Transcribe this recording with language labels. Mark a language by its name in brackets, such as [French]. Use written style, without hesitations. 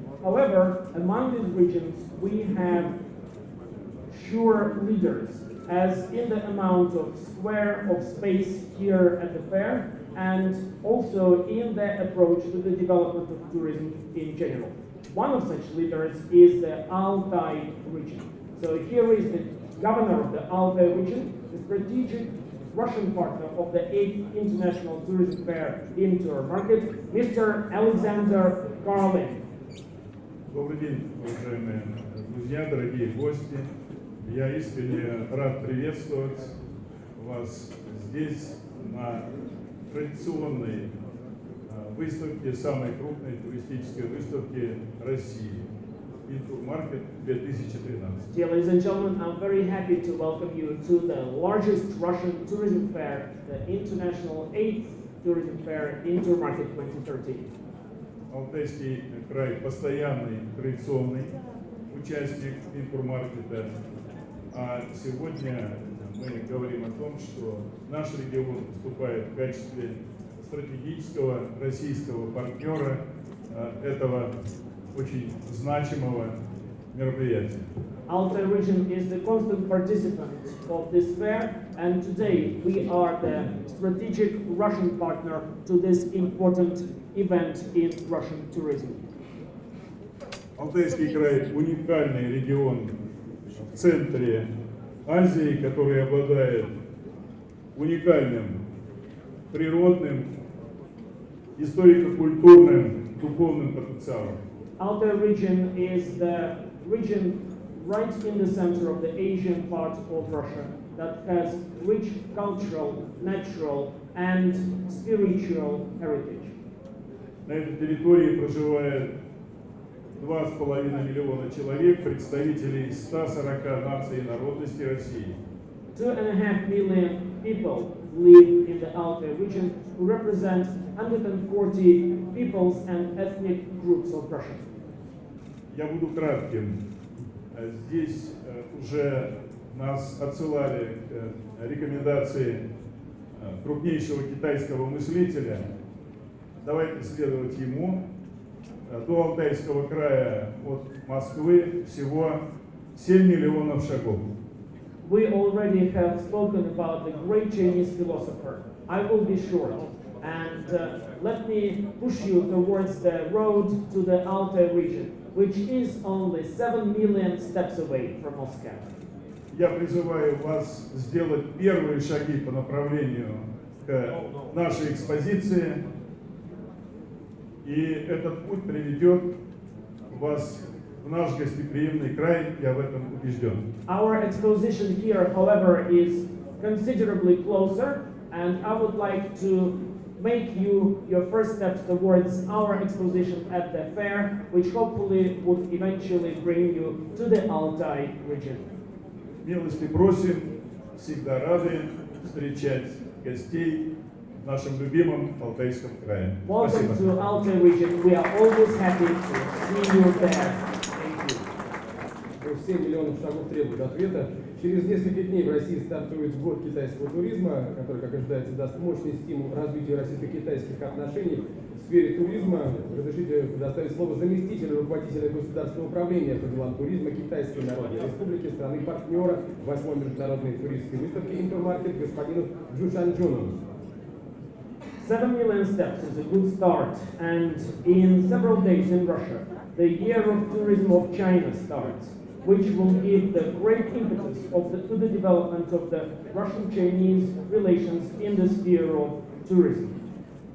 [English] However, among these regions, we have sure leaders, as in the amount of square of space here at the fair, and also in the approach to the development of tourism in general. One of such leaders is the Altai region. So here is the governor of the Altai region, the strategic Russian partner of the 8th International Tourism Fair in Tour Market, Mr. Alexander Karlin. [Russian] Добрый день, уважаемые друзья, дорогие гости. Я искренне рад приветствовать вас здесь, на традиционной выставке, самой крупной туристической выставке России. Intermarket 2013. [English] Dear ladies and gentlemen, I'm very happy to welcome you to the largest Russian tourism fair, the International 8th Tourism Fair, Intermarket 2013. [Russian] Алтайский край постоянный традиционный участник Intermarket. А сегодня мы говорим о том, что наш регион выступает в качестве стратегического российского партнера этого очень значимого мероприятия. [English] Altai region is the constant participant of this fair, and today we are the strategic Russian partner to this important event in Russian tourism. [Russian] Алтайский край – уникальный регион в центре Азии, который обладает уникальным природным, историко-культурным, духовным потенциалом. [English] Altai region is the region right in the center of the Asian part of Russia that has rich cultural, natural and spiritual heritage. [Russian] На этой территории проживает 2,5 миллиона человек, представителей 140 наций и народностей России. [English] 2.5 million people live in the Altai region, who represent 140 peoples and ethnic groups of Russia. [Russian] Я буду кратким. Здесь уже нас отсылали к рекомендации крупнейшего китайского мыслителя. Давайте следовать ему. До Алтайского края от Москвы всего 7 миллионов шагов. [English] We already have spoken about the great Chinese philosopher. I will be short. And let me push you towards the road to the Altai region, which is only 7 million steps away from Moscow. [Russian] Я призываю вас сделать первые шаги по направлению к нашей экспозиции. И этот путь приведет вас в наш гостеприимный край, я в этом убежден. [English] Our exposition here, however, is considerably closer, and I would like to make you your first steps towards our exposition at the fair, which hopefully would eventually bring you to the Altai region. [Russian] Милости просим, всегда рады встречать гостей в нашем любимом Алтайском крае. [English] Welcome [Russian] Спасибо. [English] To Altai region. We are always happy to see you there. Thank you. [Russian] 7 миллионов шагов требует ответа. Через несколько дней в России стартует год китайского туризма, который, как ожидается, даст мощный стимул развитию российско-китайских отношений в сфере туризма. Разрешите предоставить слово заместителю руководителя государственного управления по делам туризма Китайской Народной Республики, страны-партнера 8-й международной туристской выставки Intermarket, господину Джу Шанчжуну. [English] 7 million steps is a good start, and in several days in Russia, the year of tourism of China starts, which will give the great impetus to the development of the Russian-Chinese relations in the sphere of tourism.